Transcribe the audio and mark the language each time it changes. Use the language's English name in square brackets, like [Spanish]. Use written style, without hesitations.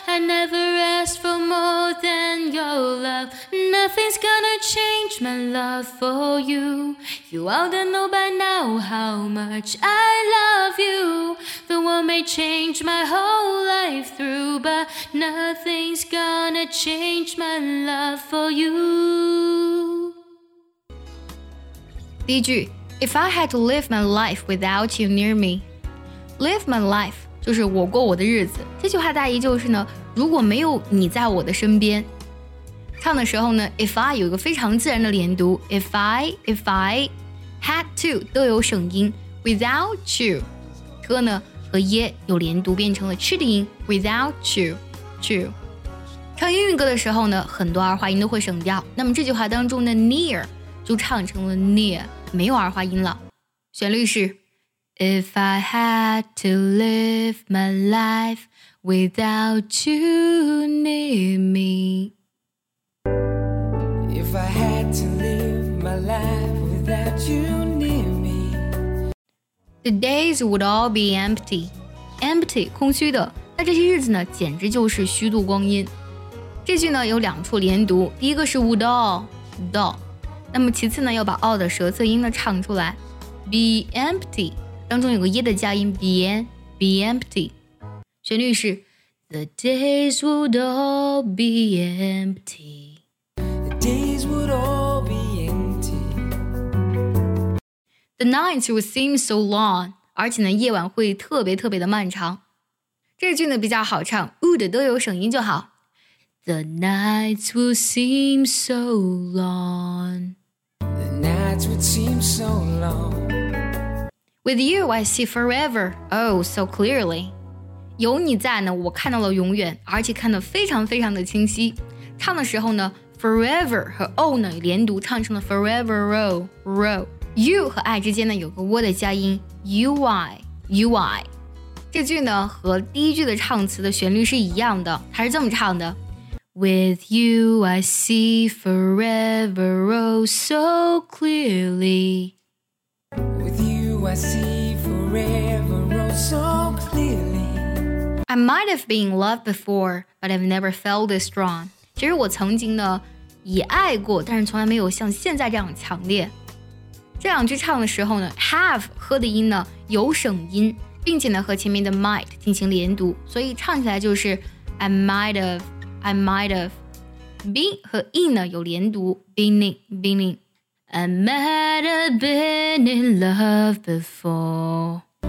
[English] never asked for more than your love Nothing's gonna change my love for you You ought to know by now how much I love you The world may change my whole life through But nothing's gonna change my love for you [Chinese] 第一句 [English] If I had to live my life without you near me Live my life [Chinese] 就是我过我的日子这句话大意就是呢如果没有你在我的身边唱的时候呢 [English] If I [Chinese] 有一个非常自然的连读 If I [English] Had to [Chinese] 都有省音 [English] Without you [Chinese] 歌呢和耶有连读变成了 ch 的音 [English] Without you to [Chinese] 唱英语歌的时候呢很多儿化音都会省掉那么这句话当中的 near 就唱成了 near 没有儿化音了旋律是 [English] If I had to live my lifeWithout you near me If I had to live my life without you near me The days would all be empty [Chinese] Empty, 空虚的那这些日子呢简直就是虚度光阴这句呢有两处连读第一个是 [English] would all dull [Chinese] 那么其次呢要把 all 的舌侧音呢唱出来 [English] Be empty [Chinese] 当中有个耶的加音 be empty旋律是 [English] The days would all be empty The days would all be empty The nights would seem so long [Chinese] 而且呢夜晚会特别特别的漫长这句呢比较好唱 would 都有省音就好 [English] The nights would seem so long The nights would seem so long With you I see forever Oh so clearly [Chinese] 有你在呢我看到了永远而且看得非常非常的清晰唱的时候呢 forever 和 oh 呢连读唱成了 [English] forever row [Chinese] you 和爱之间呢有个 w 的加音 uy 这句呢和第一句的唱词的旋律是一样的它是这么唱的 [English] with you I see forever row so clearly with you I see forever row so clearly I might have been in love before, but I've never felt this strong. [Chinese] 其实我曾经呢也爱过，但是从来没有像现在这样强烈。这两句唱的时候呢 ，have 和的音呢有省音，并且呢和前面的 might 进行连读，所以唱起来就是 [English] I might have been [Chinese] 和 in 呢有连读 ，beening [English] I might have been in love before.